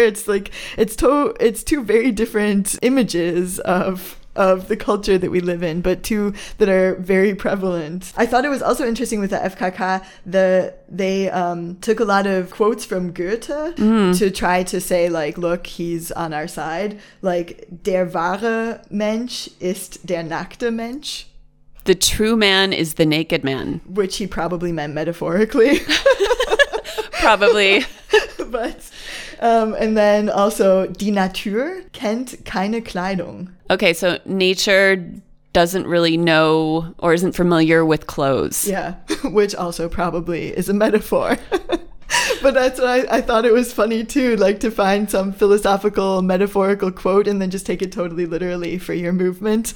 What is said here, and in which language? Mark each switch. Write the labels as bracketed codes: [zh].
[en] It's like, it's two very different images of the culture that we live in, but two that are very prevalent. I thought it was also interesting with the FKK, they took a lot of quotes from Goethe to try to say, like, look, he's on our side. [de] Like, der wahre Mensch ist der nackte Mensch. [en] The true man is the naked man. Which he probably meant metaphorically. Probably. But... [de] and then also, die Natur kennt keine Kleidung. [en] Okay, so nature doesn't really know or isn't familiar with clothes. Yeah, which also probably is a metaphor. But that's why I thought it was funny too, like to find some philosophical, metaphorical quote and then just take it totally literally for your movement.